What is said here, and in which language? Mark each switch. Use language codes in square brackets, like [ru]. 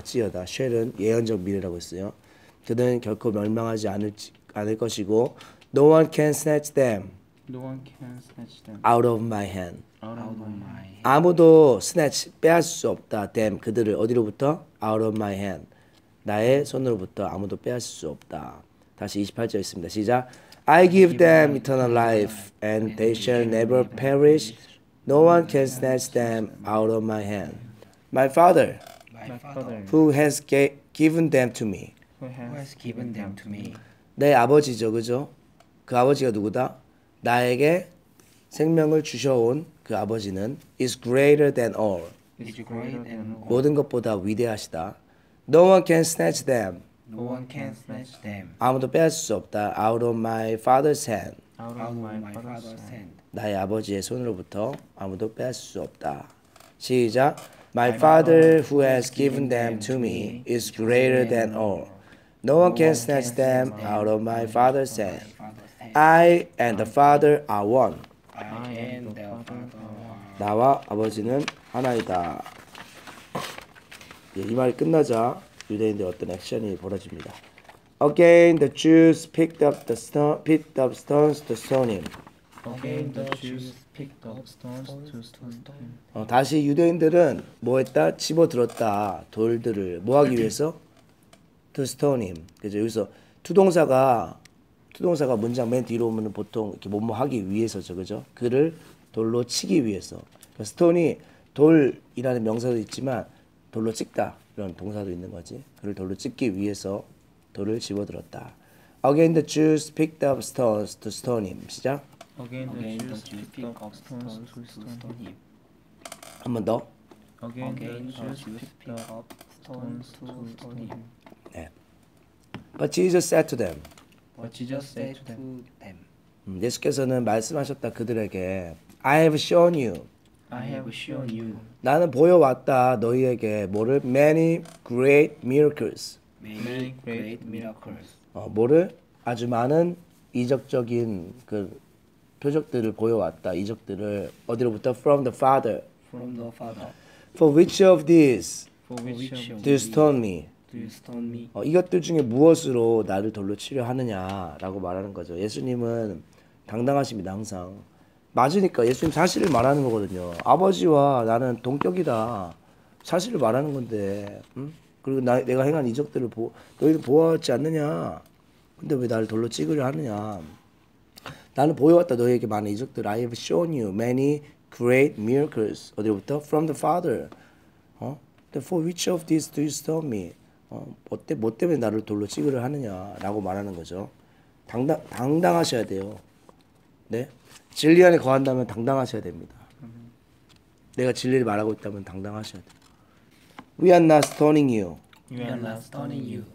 [ko] 찌어다. Shall은 예언적 미래라고 했어요. 그들은 결코 멸망하지 않을 것이고 [en] No one can snatch them. No one can snatch them out of my hand. Out of my hand. [ko] 아무도 snatch 빼앗을 수 없다. Them 그들을 어디로부터? [en] Out of my hand. [ko] 나의 손으로부터 아무도 빼앗을 수 없다. 다시 28절 있습니다. 시작. [en] I give them eternal life, and they shall never perish. No one can snatch them out of my hand. My Father, who has given them to me. Who has given them to me. [ko] 내 아버지죠, 그죠? 그 아버지가 누구다? 나에게 생명을 주셔온 그 아버지는 [en] is greater than all. Is greater than all. [ko] 모든 것보다 위대하시다. [en] No one can snatch them. No one can snatch them. [ko] 아무도 빼앗을 수 없다. [en] Out of my father's hand. Out of my father's hand. [ko] 나의 아버지의 손으로부터 아무도 빼앗을 수 없다. 시작. [en] My father who has given them to me is greater than all. No one can snatch them out of my father's hand. I and the Father are one. I and the Father are one. [ko] 나와 아버지는 하나이다. 예, 이 말이 끝나자 유대인들 어떤 액션이 벌어집니다. [en] Again the Jews picked up the stone, picked up stones to stone him. Again the Jews picked up stones to stone him. [ko] 다시 유대인들은 뭐했다? 집어들었다 돌들을 뭐하기 위해서? [en] To stone him. [ko] 그죠? 여기서 투동사가 투동사가 문장 맨 뒤로 오면 보통 이렇게 뭐뭐 하기 위해서죠, 그죠? 그를 돌로 치기 위해서. 스톤이 돌이라는 명사도 있지만 돌로 찍다 이런 동사도 있는 거지. 그를 돌로 찍기 위해서 돌을 집어들었다. [en] Again the Jews picked up stones to stone him. [ko] 시작. [en] Again the Jews picked up stones to stone him. [ko] 한 번 더. [en] Again the Jews picked up stones to stone him. [ko] 네. [en] But Jesus said to them. But Jesus said to them. [ko] 예수께서는 말씀하셨다 그들에게. [en] I have shown you. I have shown you. [ko] 나는 보여 왔다 너희에게 뭐를? [en] Many great miracles. Many great miracles. [ko] 뭐를? 아주 많은 이적적인 그 표적들을 보여 왔다. 이적들을 어디로부터? [en] From the Father. [ko] From the Father. [en] For which of these? For which of these? Do you stone me? Stone me. [ko] 이것들 중에 무엇으로 나를 돌로 치려하느냐라고 말하는 거죠. 예수님은 당당하십니다. 항상 맞으니까 예수님 사실을 말하는 거거든요. 아버지와 나는 동격이다. 사실을 말하는 건데 그리고 내가 행한 이적들을 너희는 보았지 않느냐. 근데 왜 나를 돌로 찍으려 하느냐. 나는 보여왔다 너희에게 많은 이적들. [en] I have shown you many great miracles. [ko] 어디부터? [en] From the Father. For which of these do you stone me? [ko] 뭐 때문에 나를 돌로 찍으려 하느냐라고 말하는 거죠. 당당하셔야 돼요. 네? 진리 안에 거한다면 당당하셔야 됩니다. 내가 진리를 말하고 있다면 당당하셔야 돼요. [en] We are not stoning you. We are not stoning you.